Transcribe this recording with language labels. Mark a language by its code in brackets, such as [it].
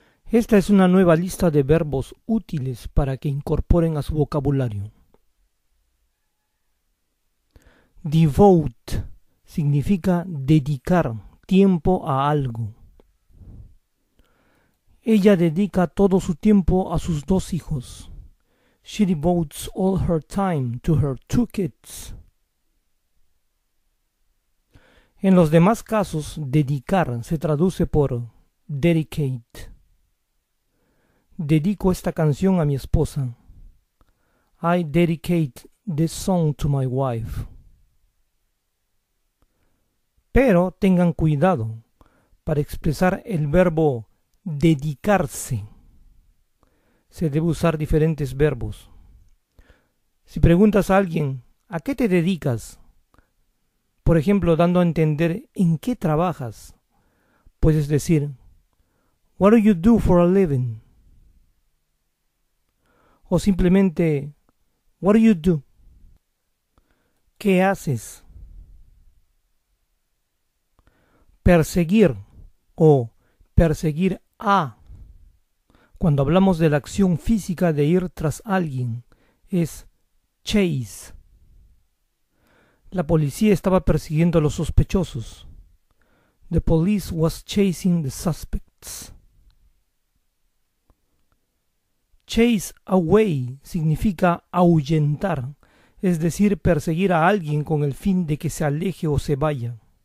[es] Esta es una nueva lista de verbos útiles para que incorporen a su vocabulario. Devote significa dedicar tiempo a algo. Ella dedica todo su tiempo a sus dos hijos. [en] She devotes all her time to her two kids. [es] En los demás casos, dedicar se traduce por dedicate. Dedico esta canción a mi esposa. [en] I dedicate this song to my wife. [es] Pero tengan cuidado para expresar el verbo dedicarse. Se debe usar diferentes verbos. Si preguntas a alguien, ¿a qué te dedicas? Por ejemplo, dando a entender en qué trabajas, puedes decir, [en] What do you do for a living? [es] O simplemente, [en] What do you do? [es] ¿Qué haces? Perseguir o perseguir a. Cuando hablamos de la acción física de ir tras alguien, es chase. La policía estaba persiguiendo a los sospechosos. [en] The police was chasing the suspects. [es] Chase away significa ahuyentar, es decir, perseguir a alguien con el fin de que se aleje o se vaya.